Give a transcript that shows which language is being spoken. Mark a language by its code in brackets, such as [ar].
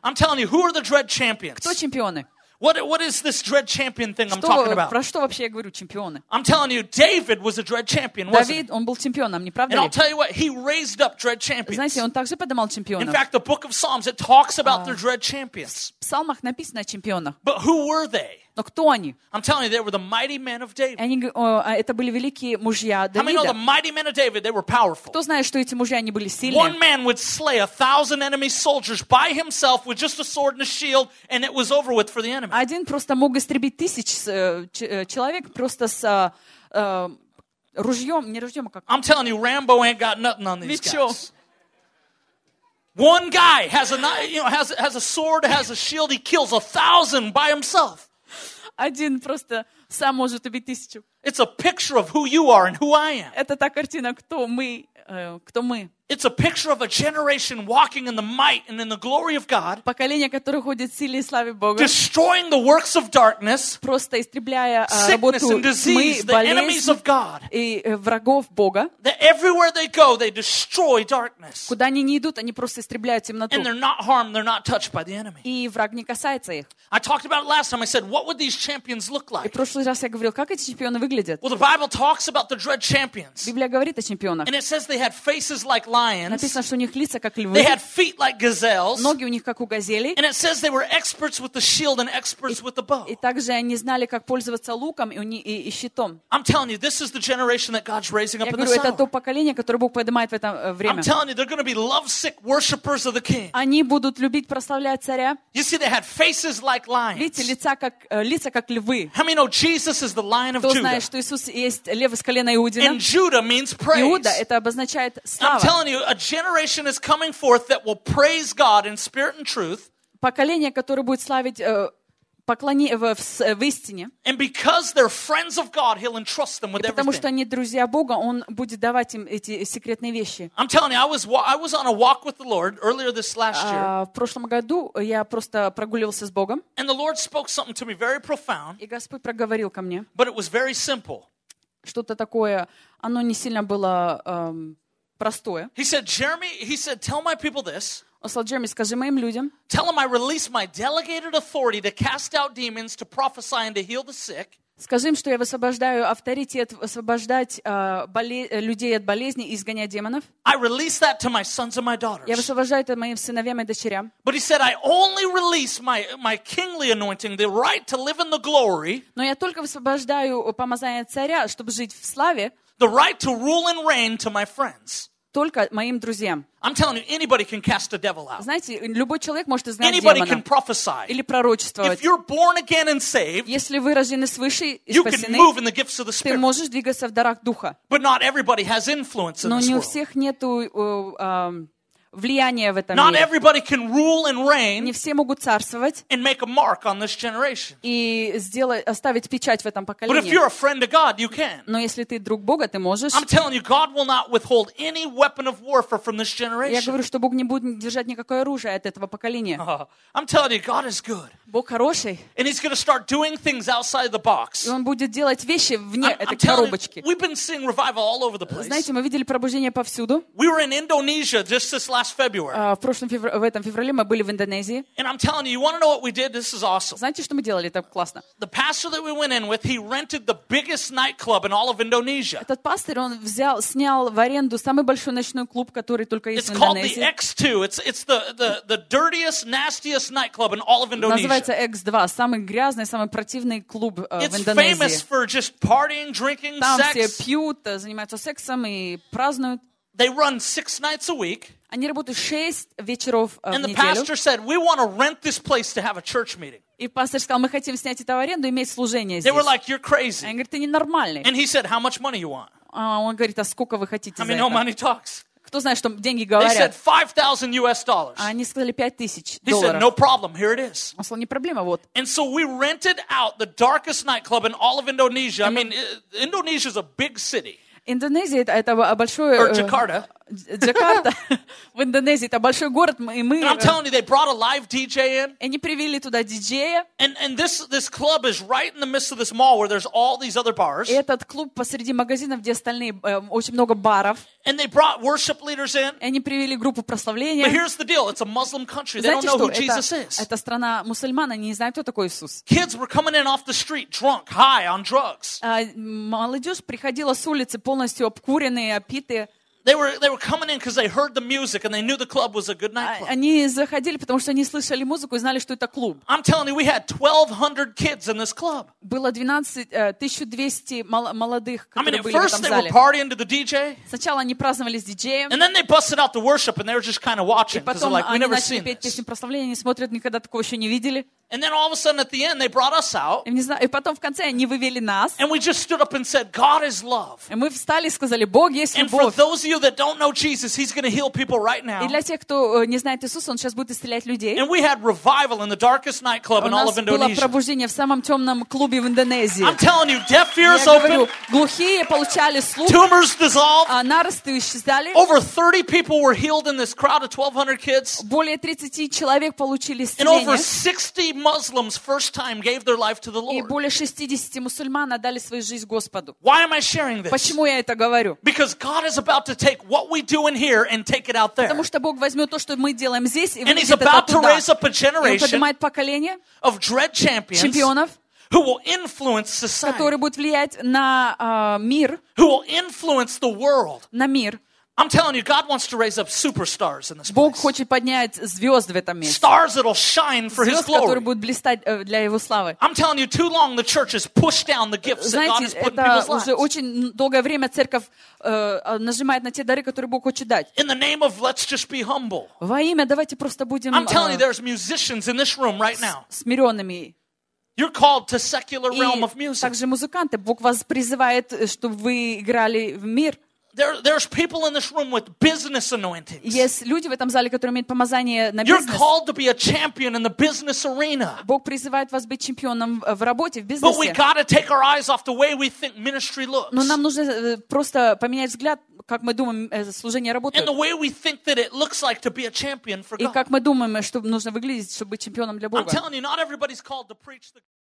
[en] I'm telling you, who are the dread champions? [ru] Кто чемпионы? [en] What is this dread champion thing I'm talking about? [ru] Про что вообще я говорю, чемпионы? [en] I'm telling you, David was a dread champion, wasn't [ru] David, он был чемпионом, не правда ли? [en] And I'll tell you what, he raised up dread champions. [ru] Знаете, он также поднимал чемпионов. [en] In fact, the book of Psalms, it talks about their dread champions. [ru] В псалмах написано о чемпионах. [en] But who were they? [ru] Но кто они? [en] I'm telling you, they were the mighty men of David. [ru] Они, это были великие мужья Давида. [en] How many know the mighty men of David? They were powerful. [ru] Кто знает, что эти мужья, они были сильные? [en] One man would slay 1,000 enemy soldiers by himself with just a sword and a shield, and it was over with for the enemy. [ru] Один просто мог истребить тысяч человек просто с ружьем, не ружьем, а как? [en] I'm telling you, Rambo ain't got nothing on these [ru] Ничего. [en] Guys. One guy has a has a sword, has a shield. He kills 1,000 by himself. [ru] Один просто сам может убить тысячу. [en] It's a picture of who you are and who I am. [ru] Это та картина, кто мы, кто мы. [en] It's a picture of a generation walking in the might and in the glory of God. [ru] Поколение, которое ходит в силе и славе Бога. [en] Destroying the works of darkness. [ru] Просто истребляя работу тьмы, болезнь, [en] the enemies of God. [ru] И врагов Бога. [en] That everywhere they go, they destroy darkness. [ru] Куда они ни идут, они просто истребляют темноту. [en] And they're not harmed, they're not touched by the enemy. [ru] И враг не касается их. [en] I talked about it last time. I said, what would these champions look like? [ru] И в прошлый раз я говорил, как эти чемпионы выглядят. [en] Well, the Bible talks about the dread champions. [ru] Библия говорит о чемпионах. [en] And it says they had faces like lions. [ru] Написано, что у них лица как львы. [en] They had feet like gazelles. [ru] Ноги у них как у газели. [en] And it says they were experts with the shield and experts with the bow. [ru] И также они знали, как пользоваться луком и щитом. [en] I'm telling you, this is the generation that God's raising up in the summer. [ru] Я говорю, это то поколение, которое Бог поднимает в это время. [en] I'm telling you, they're going to be lovesick worshippers of the King. [ru] Они будут любить прославлять царя. [en] You see, they had faces like lions. [ru] Видите, лица как львы. [en] How many know Jesus is the Lion of Judah? [ru] Кто знает, что Иисус есть лев из колена Иудина? [en] And Judah means praise. [ru] Иуда это обозначает слава. [en] I'm telling you, a generation is coming forth that will praise God in spirit and truth. [ru] Поколение, которое будет славить поклонение в истине. [en] And because they're friends of God, He'll entrust them with everything. [ru] Потому что они друзья Бога, Он будет давать им эти секретные вещи. [en] I'm telling you, I was on a walk with the Lord earlier this last year. [ru] В прошлом году я просто прогуливался с Богом. [en] And the Lord spoke something to me very profound. [ru] И Господь проговорил ко мне. [en] But it was very simple. [ru] Что-то такое, оно не сильно было. [en] He said, Jeremy, he said, tell my people this. [ru] Он сказал, Джереми, скажи моим людям. [en] Tell them I release my delegated authority to cast out demons, to prophesy and to heal the sick. [ru] Скажи им, что я высвобождаю авторитет освобождать людей от болезни и изгонять демонов. [en] I release that to my sons and my daughters. [ru] Я высвобождаю это моим сыновьям и дочерям. [en] But he said, I only release my kingly anointing, the right to live in the glory. [ru] Но я только высвобождаю помазание царя, чтобы жить в славе. [en] The right to rule and reign to my friends. [ru] Только моим друзьям. [en] I'm telling you, anybody can cast a devil out. [ru] Знаете, любой человек может изгнать демона. [en] Anybody can prophesy. [ru] Или пророчествовать. [en] If you're born again and saved, [ru] если вы рождены свыше и спасены, [en] you can move in the gifts of the Spirit. [ru] Ты можешь двигаться в дарах духа. [en] But not everybody has influence in this world. [ru] Но не у всех нету влияния в этом [en] not [ru] мире. [en] Not everybody can rule and reign. [ru] Не все могут царствовать. [en] And make a mark on this generation. [ru] И оставить печать в этом поколении. [en] But if you're a friend of God, you can. [ru] Но если ты друг Бога, ты можешь. [en] I'm telling you, God will not withhold any weapon of warfare from this generation. [ru] Я говорю, что Бог не будет держать никакое оружие от этого поколения. [en] I'm telling you, God is good. [ru] Бог хороший. [en] And He's going to start doing things outside the box. [ru] И Он будет делать вещи вне этой коробочки. [en] We've been seeing revival all over the place. [ru] Знаете, мы видели пробуждение повсюду. [en] We were in Indonesia just this last. [ru] В этом феврале мы были в Индонезии. [en] And I'm telling you, you want to know what we did? This is awesome. [ru] Знаете, что мы делали? Это классно. [en] The pastor that we went in with, he rented the biggest nightclub in all of Indonesia. [ru] Этот пастор, он снял в аренду самый большой ночной клуб, который только есть в Индонезии. [en] It's called the X2. It's the dirtiest, nastiest nightclub in all of Indonesia. [ru] Называется X2, самый грязный, самый противный клуб в Индонезии. [en] It's famous for just partying, drinking, [ru] там [en] sex. [ru] Там все пьют, занимаются сексом и празднуют. [en] They run 6 nights a week. [ru] Они работают 6 вечеров в неделю. [en] And the pastor said, we want to rent this place to have a church meeting. [ru] И пастор сказал, мы хотим снять это в аренду и иметь служение здесь. [en] They were like, you're crazy. [ru] Они говорят, ты ненормальный. [en] And he said, how much money you want? [ru] Он говорит, а сколько вы хотите за это? [en] I mean, no money talks. [ru] Кто знает, что деньги говорят? [en] They said, $5,000. [ru] Они сказали, $5,000. [en] He said, no problem, here it is. [ru] Он сказал, не проблема, вот. [en] And so we rented out the darkest nightclub in all of Indonesia. I mean, Indonesia is a big city. [ru] Индонезия это большой Джакарта. Джакарта в Индонезии это большой город, и мы. [en] And I'm telling you, they brought a live DJ in. [ru] И они привели туда диджея. [en] And this club is right in the midst of this mall where there's all these other bars. [ru] И этот клуб посреди магазинов, где остальные очень много баров. [en] And they brought worship leaders in. [ru] И они привели группу прославления. [en] But here's the deal, it's a Muslim country. They don't know who Jesus is. [ru] Это страна мусульман, они не знают, кто такой Иисус. [en] Kids were coming in off the street, drunk, high on drugs. [ru] Молодежь приходила с улицы полностью обкуренные, опитые. [en] They were coming in because they heard the music and they knew the club was a good nightclub. [ru] Они заходили, потому что они слышали музыку и знали, что это клуб. [en] I'm telling you, we had 1,200 kids in this club. [ru] Было 1,200 молодых, которые были в этом зале. [en] I mean, first they were partying to the DJ. [ru] Сначала они праздновали с диджеем. [en] And then they busted out the worship and they were just kind of watching because they're like, we never seen this. [ru] И потом они начали петь песни прославления, они смотрят, никогда такого еще не видели. [en] And then all of a sudden at the end they brought us out. [ru] И потом в конце они вывели нас. [en] And we just stood up and said, God is love. [ru] И мы встали и сказали, Бог есть любовь. [en] And for those of you you that don't know Jesus, he's going to heal people right now. [ru] И для тех, кто не знает Иисуса, он сейчас будет исцелять людей. [en] And we had revival in the darkest nightclub in all of Indonesia. [ru] У нас было пробуждение в самом темном клубе в Индонезии. [en] I'm telling you, deaf ears opened. [ru] Глухие получали слух. [en] Tumors dissolved. [ru] Наросты исчезали. [en] Over 30 people were healed in this crowd of 1200 kids. [ru] Более 30 человек получили исцеление. [en] And over 60 Muslims first time gave their life to the Lord. [ru] И более 60 мусульман отдали свою жизнь Господу. [en] Why am I sharing this? [ru] Почему я это говорю? [en] Because God is about to take what we do in here and take it out there. [ru] Потому что Бог возьмёт то, что мы делаем здесь, и выведет это туда. [en] And he's about to raise up a generation. [ru] И он поднимает поколение [en] of dread champions. [ru] Чемпионов. [en] Who will influence society? [ru] Которые будут влиять на мир. [en] Who will influence the world? [ru] На мир. [en] I'm telling you, God wants to raise up superstars in this place. [ru] Бог хочет поднять звезд в этом месте. [en] Stars that'll shine for His glory. [ru] Звезды, которые будут блистать для Его славы. [en] I'm telling you, too long the church has pushed down the gifts that God has put in people's lives. [ru] Знаете, это уже очень долгое время церковь нажимает на те дары, которые Бог хочет дать. [en] In the name of, let's just be humble. [ru] Во имя, давайте просто будем. [en] I'm telling you, there's musicians in this room right now. [ru] Смиренными. [en] You're called to secular realm of music. [ru] И также музыканты, Бог вас призывает, чтобы вы играли в мир. [en] There's people in this room with business anointings. [ru] Есть люди в этом зале, которые имеют помазание на бизнес. [en] You're called to be a champion in the business arena. [ru] Бог призывает вас быть чемпионом в работе, в бизнесе. [en] But we got to take our eyes off the way we think ministry looks. [ru] Но нам нужно просто поменять взгляд, как мы думаем, служение работает. [en] And the way we think that it looks like to be a champion for God. [ru] И как мы думаем, что нужно выглядеть, чтобы быть чемпионом для Бога. [en] I'm telling you, not everybody's called to preach the